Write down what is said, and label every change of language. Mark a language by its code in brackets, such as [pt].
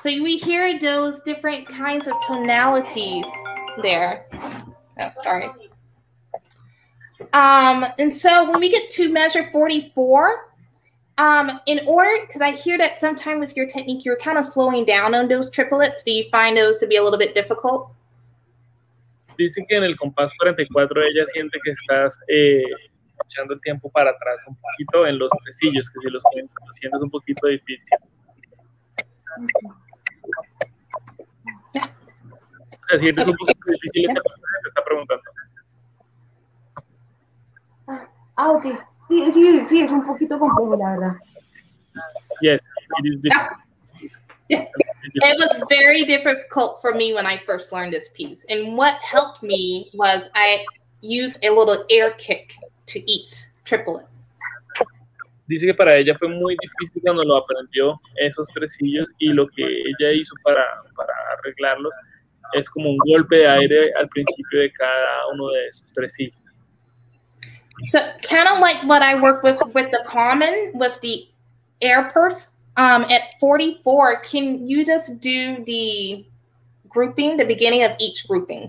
[en] So we hear those different kinds of tonalities. There. Oh, sorry. And so when we get to measure 44, in order, because I hear that sometime with your technique, you're kind of slowing down on those triplets. Do you find those to be a little bit difficult? [es] Dice que en el compás 44 ella siente que estás echando el tiempo para atrás un poquito en los tresillos, que si los conociendo es un poquito difícil. O sea, sientes un poquito difícil esta persona que te está preguntando. Ah, ok. Sí, es un poquito complejo, la verdad. [en] Yes, it is difficult. It was very difficult for me when I first learned this piece. And what helped me was I used a little air kick to each triplet. [es] Dice que para ella fue muy difícil cuando lo aprendió esos tresillos y lo que ella hizo para arreglarlos es como un golpe de aire al principio de cada uno de esos tresillos. [en] So kind of like what I work with the common, with the air purse. At 44, can you just do the grouping, the beginning of each grouping?